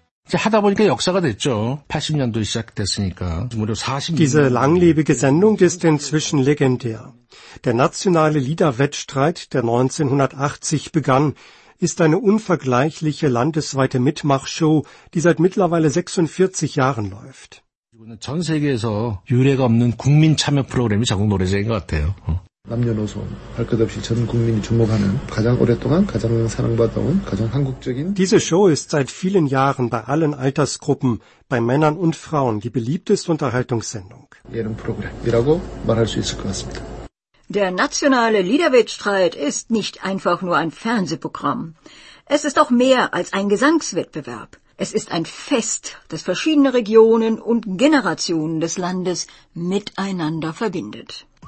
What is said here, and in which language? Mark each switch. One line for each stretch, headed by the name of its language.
Korean: 하다 보니까 역사가 됐죠. 80년도 시작됐으니까 무려 40년.
German: Diese langlebige Sendung ist inzwischen legendär. Der nationale Liederwettstreit, der 1980 begann, ist eine unvergleichliche landesweite Mitmachshow, die seit mittlerweile 46 Jahren läuft.
Korean: 전 세계에서 유례가 없는 국민 참여 프로그램이 전국 노래제인 것 같아요. 남녀노소 할 것 없이 전 국민이 주목하는 가장 오랫동안 가장 사랑받던 가장 한국적인
German: Diese Show ist seit vielen Jahren bei allen Altersgruppen, bei Männern und Frauen die beliebteste Unterhaltungssendung.
Korean: 예능 프로그램이라고 말할 수 있을 것 같습니다.
German: Der nationale Liederwettstreit ist nicht einfach nur ein Fernsehprogramm. Es ist auch mehr als ein Gesangswettbewerb. Es ist ein Fest, das verschiedene Regionen und Generationen des Landes miteinander verbindet.